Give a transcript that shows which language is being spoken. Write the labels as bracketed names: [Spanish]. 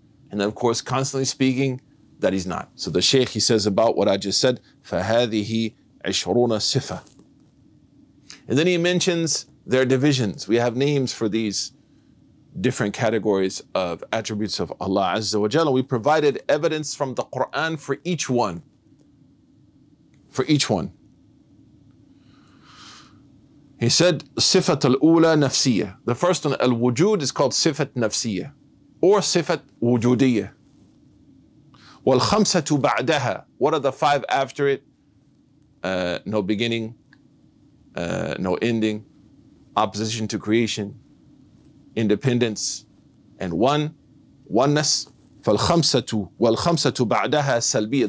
[English] And then, of course, constantly speaking, that he's not. So the Shaykh, he says about what I just said, [Arabic] فَهَذِهِ عِشْرُونَ صِفَةً. [English] And then he mentions their divisions. We have names for these different categories of attributes of Allah Azza wa Jalla. We provided evidence from the Qur'an for each one. For each one. He said, [Arabic] صِفَةَ الْأُولَى نَفْسِيَّةً. [English] The first one, al-wujud, is called صِفَةَ نَفْسِيَّةً. [Arabic] Or صفت وجودية. والخمسة بعدها. [English] What are the five after it? No beginning, no ending, opposition to creation, independence, and one, oneness. [Arabic] والخمسة بعدها سلبية.